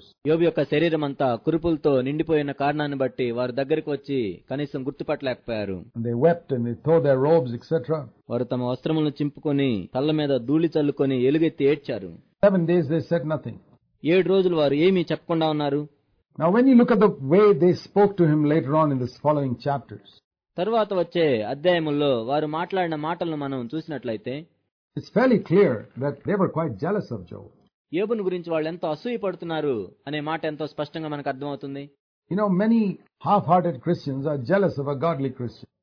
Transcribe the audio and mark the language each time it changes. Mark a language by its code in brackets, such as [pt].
[te] యోబు యొక్క శరీరం అంతా కురుపులతో నిండిపోయిన కారణాన్ని బట్టి వారు దగ్గరికి వచ్చి కనీసం గుర్తుపట్టలేకపోయారు. వారు తమ వస్త్రములను చింపుకుని తల్ల మీద ధూళి చల్లుకుని ఎలుగెత్తి ఏడ్చారు. [en] 7 days they said nothing. [te] 7 రోజులు వారు ఏమీ చెప్పకుండా ఉన్నారు. [en] Now when you look at the way they spoke to him later on in the following chapters. [te] తరువాత వచ్చే అధ్యాయముల్లో వారు మాట్లాడిన మాటలను మనం చూసినట్లయితే [en] It's fairly clear that they were quite jealous of Job. [te] యోబును గురించి వాళ్ళు ఎంతో అసూయపడుతున్నారు అనే మాట ఎంతో స్పష్టంగా మనకు అర్థమవుతుంది. [en] You know many half hearted Christians are jealous of a godly Christian.